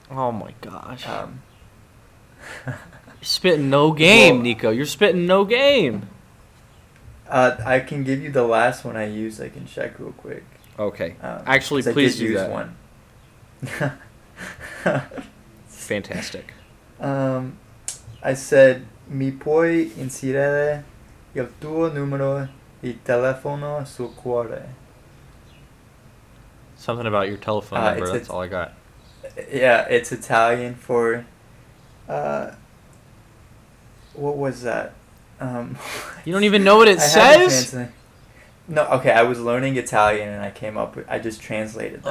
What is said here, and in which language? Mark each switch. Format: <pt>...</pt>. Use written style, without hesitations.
<en>Oh my gosh. You're spitting no game, well, Nicco. You're spitting no game. I can give you the last one I used. I can check real quick. Okay. Actually, please do that. I did use one. Fantastic. I said,</en> <it>Mi puoi inserire il tuo numero di telefono sul cuore?</it> <en>Something about your telephone number, that's all I got. Yeah, it's Italian for, what was that? You don't even know what it says? No, okay, I was learning Italian and I came up with, I just translated that.</en>